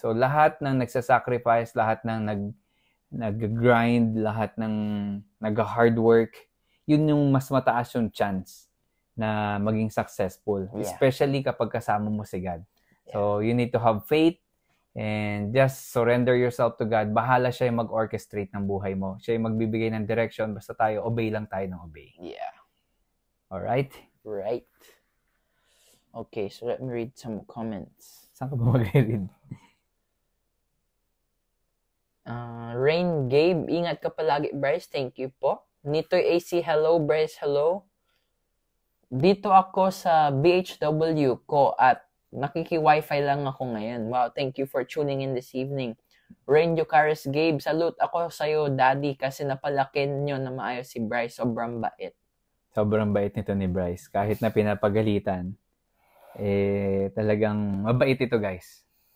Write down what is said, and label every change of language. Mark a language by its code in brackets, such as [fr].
[tl] So, lahat ng nagsasacrifice, lahat ng nag-grind, lahat ng nag-hard work, yun yung mas mataas yung chance na maging successful. [en] Yeah. [tl] Especially kapag kasama mo si God. Yeah. [en] So, you need to have faith and just surrender yourself to God. [tl] Bahala siya yung mag-orchestrate ng buhay mo. Siya yung magbibigay ng direction. Basta tayo, obey lang tayo ng obey. [en] Yeah. Alright? Right. Okay, so let me read some comments. [tl] Saan ka ba mag-read? Rain Gabe, ingat ka palagi, Bryce. [en] Thank you po. [tl] Nitoy AC, hello, Bryce, hello. Dito ako sa BHW ko at nakiki-wifi lang ako ngayon. [en] Wow, thank you for tuning in this evening. [tl] Rain Yucaris Gabe, salute ako sa'yo, Daddy, kasi napalakin nyo na maayos si Bryce. Sobrang bait. Sobrang bait nito ni Bryce. Kahit na pinapagalitan, talagang mabait ito, guys.